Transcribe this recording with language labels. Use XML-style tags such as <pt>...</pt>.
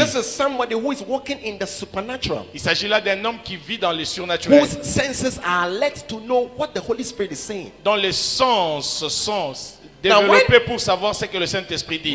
<en>This is somebody who is walking in the supernatural.</en> <fr>Il s'agit là d'un homme qui vit dans le surnaturel.</fr> <en>Whose senses are alert to know what the Holy Spirit is saying.</en> <fr>Dans les sens développé pour savoir ce que le Saint-Esprit dit.</fr>